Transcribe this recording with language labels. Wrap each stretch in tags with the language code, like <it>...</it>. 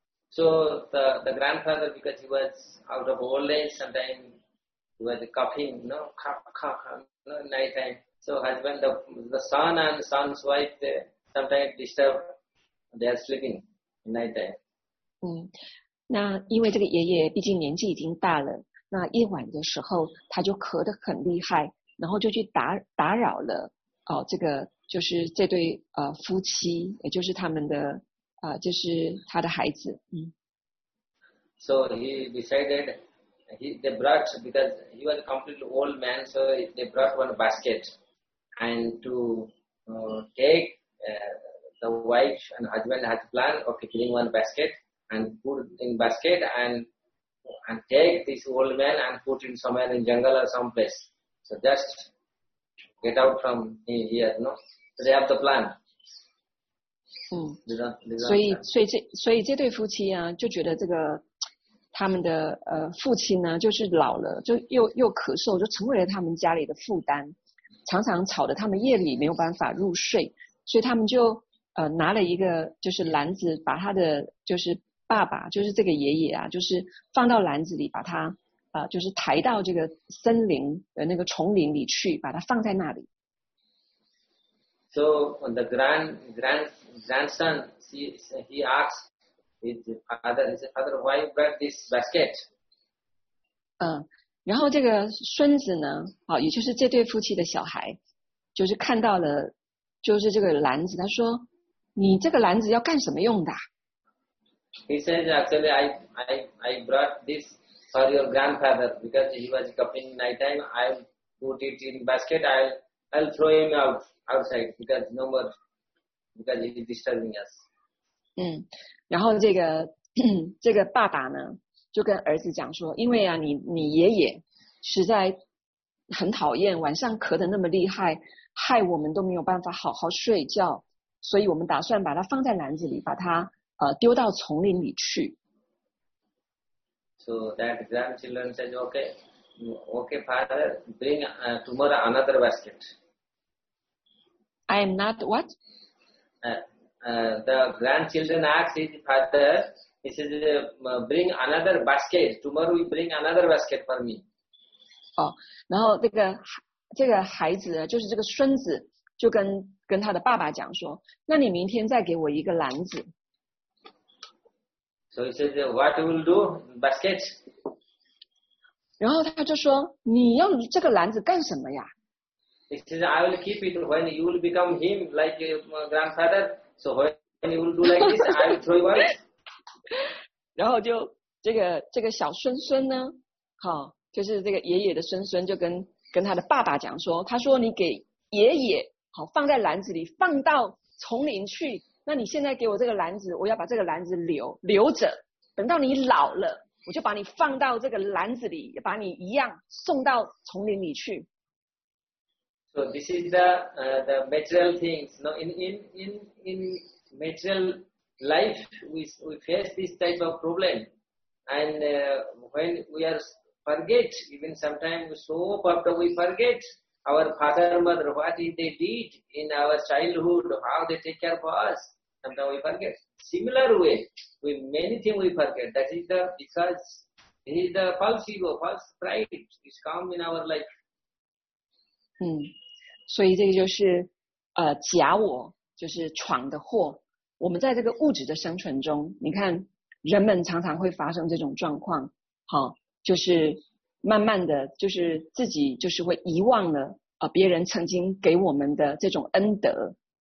<en>So the grandfather, because he was out of old age, sometimes he was coughing, you know, cough, no, night time. So husband, the son and son's wife, they sometimes disturb, they are sleeping night time.</en> <zh>嗯，那因为这个爷爷毕竟年纪已经大了，那夜晚的时候他就咳得很厉害，然后就去打扰了，哦，这个就是这对夫妻，也就是他们的。就是他的孩子。</zh> <en>So he decided, they brought, because he was a complete old man, so they brought one basket and to take the wife and husband had plan of killing one basket and put in basket and take this old man and put in somewhere in jungle or someplace. So just get out from here, you know? So they have the plan.</en> <zh>所以这对夫妻啊就觉得这个他们的父亲呢就是老了就又咳嗽就成为了他们家里的负担常常吵得他们夜里没有办法入睡所以他们就拿了一个就是篮子把他的就是爸爸就是这个爷爷啊就是放到篮子里把他就是抬到这个森林的那个丛林里去把他放在那里。</zh> <en>So when the grandson, he asks his father, he says, father, why you brought this basket?</en> <zh>然后这个孙子呢，也就是这对夫妻的小孩，就是看到了，就是这个篮子，他说，你这个篮子要干什么用的？</zh> <en>He says, actually, I brought this for your grandfather, because he was coming night time, I'll put it in basket, I'll throw him outside because no more, because he is disturbing us.</en> <zh>然后这个爸爸呢就跟儿子讲说因为啊你爷爷实在很讨厌晚上咳得那么厉害害我们都没有办法好好睡觉所以我们打算把它放在篮子里把它丢到丛林里去。</zh> <en>So that grandchildren said, okay, father, bring tomorrow another basket. I am not what? The grandchildren asked his father, he says, bring another basket. Tomorrow we bring another basket for me.</en> <zh>然后这个孩子，就是这个孙子，就跟他的爸爸讲说，那你明天再给我一个篮子。</zh> <en>So he says, what you will do? Basket?</en> <zh>然后他就说你要这个篮子干什么呀</zh> <en>He says, I will keep it when you will become him like your grandfather. So when you will do like this, I will throw it away.</en> <zh>然后就这个小孙孙呢、哦、就是这个爷爷的孙孙就跟他的爸爸讲说他说你给爷爷、哦、放在篮子里放到丛林去那你现在给我这个篮子我要把这个篮子留着等到你老了。我就把你放到这个篮子里，把你一样送到丛林里去。</zh> <en>So this is the material things. No, in material life, we face this type of problem. And when we are forget, even sometimes so often we forget our father, mother, what they did in our childhood, how they take care for us. And now we forget. Similar way, we many things we forget. That is the, because it is the false ego, false pride is come in our life.</en> <zh>所以这个就是假我，就是闯的祸。我们在这个物质的生存中，你看人们常常会发生这种状况，好，就是慢慢的，就是自己就是会遗忘了别人曾经给我们的这种恩德。</zh>